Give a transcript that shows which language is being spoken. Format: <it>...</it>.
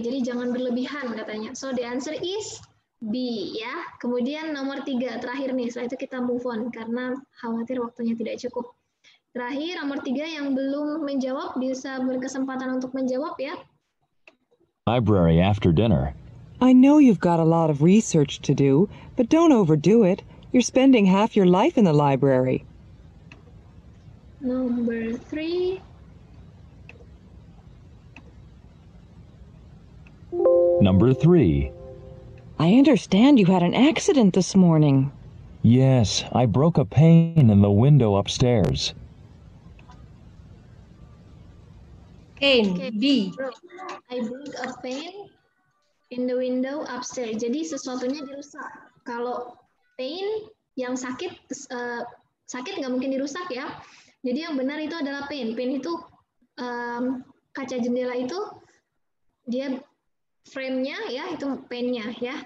<id>Jadi jangan berlebihan katanya.</id> <en>So the answer is B</en> <id>ya. Kemudian nomor 3 terakhir nih, setelah itu kita move on karena khawatir waktunya tidak cukup. Terakhir nomor 3 yang belum menjawab bisa berkesempatan untuk menjawab ya.</id> <en>Library after dinner. I know you've got a lot of research to do, but don't overdo it. You're spending half your life in the library. Number 3. Number 3. I understand you had an accident this morning. Yes, I broke a pane in the window upstairs. Pane, B. I broke a pane in the window upstairs.</en> <id>Jadi sesuatunya dirusak. Kalau pane yang sakit, sakit nggak mungkin dirusak ya. Jadi yang benar itu adalah pane. Pane itu kaca jendela itu dia frame-nya ya, itu pane-nya ya.</id>